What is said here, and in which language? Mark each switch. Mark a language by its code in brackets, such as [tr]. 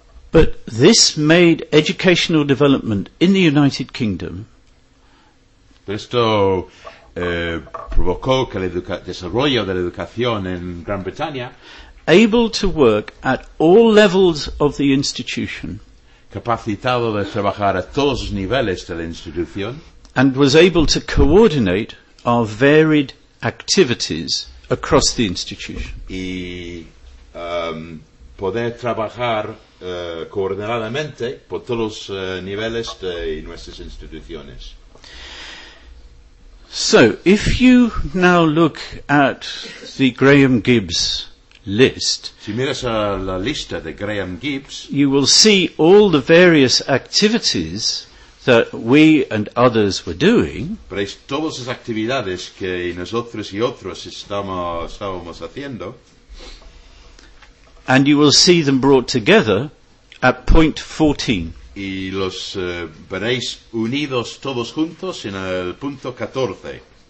[en] But this made educational development in the United Kingdom. [es] Esto provocó que el desarrollo de la educación en Gran Bretaña, [en] able to work at all levels of the institution, [es] capacitado de trabajar a todos los niveles de la institución, [en] and was able to coordinate our varied activities across the institution. [es] Y poder trabajar coordinadamente por todos los niveles de nuestras instituciones. [en] So, if you now look at the Graham Gibbs list, [es] si miras a la lista de Graham Gibbs, [en] you will see all the various activities that we and others were doing. [es] Veréis todas las actividades que nosotros y otros estábamos haciendo. [en] And you will see them brought together at point 14. [es] Y los veréis unidos todos juntos en el punto 14.